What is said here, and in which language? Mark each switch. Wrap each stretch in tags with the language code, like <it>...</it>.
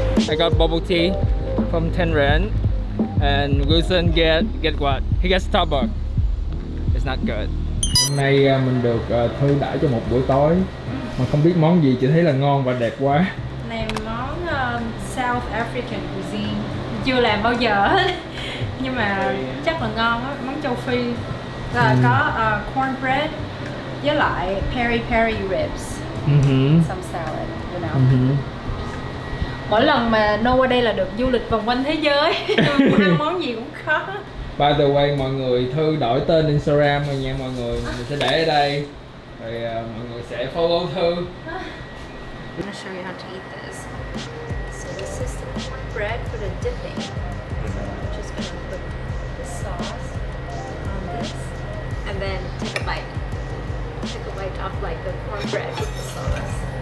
<en>I got bubble tea from 10 rand and Wilson get what? He gets Starbucks. It's not good.</en> <vi>Hôm nay mình được Thư đãi cho một buổi tối mà không biết món gì, chỉ thấy là ngon và đẹp quá. Này món South African cuisine chưa làm bao giờ. Nhưng mà chắc là ngon á, món châu Phi. Có cornbread với lại peri peri ribs.</vi> <en>Some salad, you know.</en> <vi>Mỗi lần mà Noah đây là được du lịch vòng quanh thế giới. Ăn món gì cũng khó.</vi> <en>By the way,</en> <vi>mọi người, Thư đổi tên Instagram rồi nha mọi người. Mình sẽ để ở đây. Rồi mọi người sẽ follow Thư.</vi> <en>I'm gonna show you how to eat this. So this is the cornbread for the dipping. So I'm just gonna put the sauce on this. And then take a bite. Take a bite off like the cornbread with the sauce.</en>